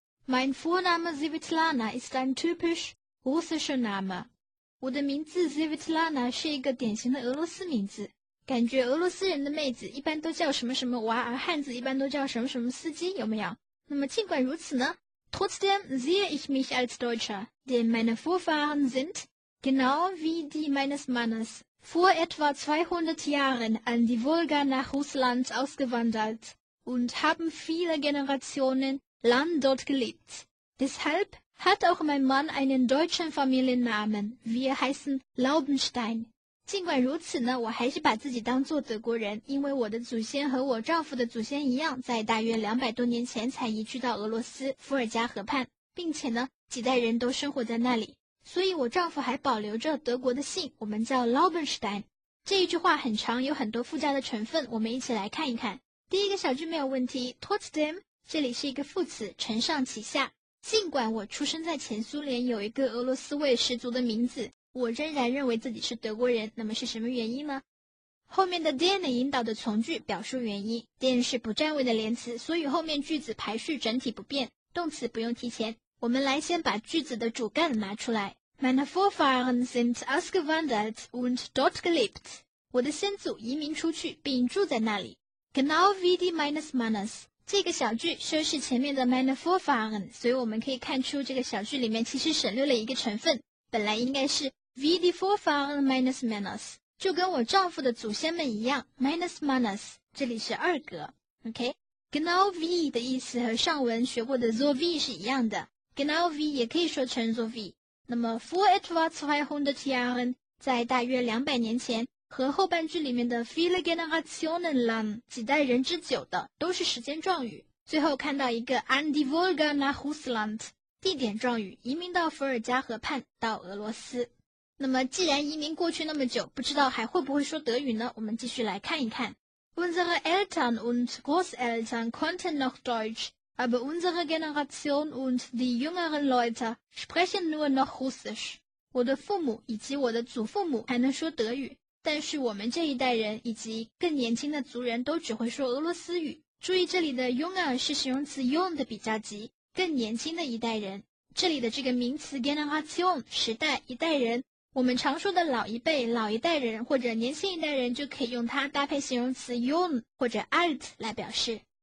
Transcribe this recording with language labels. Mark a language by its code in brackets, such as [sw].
[de] Mein Vorname Svetlana ist ein typischrussischer Name， [zh] 我的名字 Svetlana 是一个典型的俄罗斯名字，感觉俄罗斯人的妹子一般都叫什么什么娃，而汉子一般都叫什么什么司机，有没有？那么尽管如此呢， [de] Trotzdem sehe ich mich als Deutscher, denn meine Vorfahren sind, genau wie die meines Mannes, vor etwa 200 Jahren an die Wolga nach Russland ausgewandert und haben viele Generationen lang dort gelebt. Deshalb,hat auch mein Mann einen deutschen Familiennamen. Wir heißen Laubenstein. [zh] 尽管如此呢，我还是把自己当做德国人，因为我的祖先和我丈夫的祖先一样，在大约200多年前才移居到俄罗斯伏尔加河畔，并且呢，几代人都生活在那里。所以我丈夫还保留着德国的姓，我们叫 Laubenstein。这一句话很长，有很多附加的成分，我们一起来看一看。第一个小句没有问题， Trotzdem， 这里是一个副词，承上启下。尽管我出生在前苏联，有一个俄罗斯味十足的名字，我仍然认为自己是德国人。那么是什么原因呢？后面的 den 引导的从句表述原因， den 是不占位的连词，所以后面句子排序整体不变，动词不用提前。我们来先把句子的主干拿出来。 [de] Meine Vorfahren sind ausgewandert und dort gelebt. [zh] 我的先祖移民出去并住在那里。 [de] Genau wie die meines Mannes. [zh] 这个小句修饰前面的 Meine Vorfahren, 所以我们可以看出这个小句里面其实省略了一个成分，本来应该是 [de] wie die Vorfahren meines Mannes, [zh] 就跟我丈夫的祖先们一样， [de] meines Mannes, [zh] 这里是二格。 OK, Genau wie 的意思和上文学过的 so wie 是一样的，Genau wie 也可以说成 so wie。那么 [de] vor etwa 200 Jahren， [zh] 在大约200年前，和后半句里面的 [de] viele Generationen lang， [zh] 几代人之久的，都是时间状语。最后看到一个 [de] an die Wolga nach Russland， [zh] 地点状语，移民到伏尔加河畔，到俄罗斯。那么既然移民过去那么久，不知道还会不会说德语呢？我们继续来看一看。 [de] Unsere Eltern und Großeltern konnten noch Deutsch，Aber unsere Generation und die jüngeren Leute sprechen nur noch Russisch. [zh] 我的父母以及我的祖父母还能说德语，但是我们这一代人以及更年轻的族人都只会说俄罗斯语。注意这里的 jünger 是形容词 jung 的比较级，更年轻的一代人。这里的这个名词 Generation 时代一代人，我们常说的老一辈老一代人或者年轻一代人就可以用它搭配形容词 jung 或者 alt 来表示。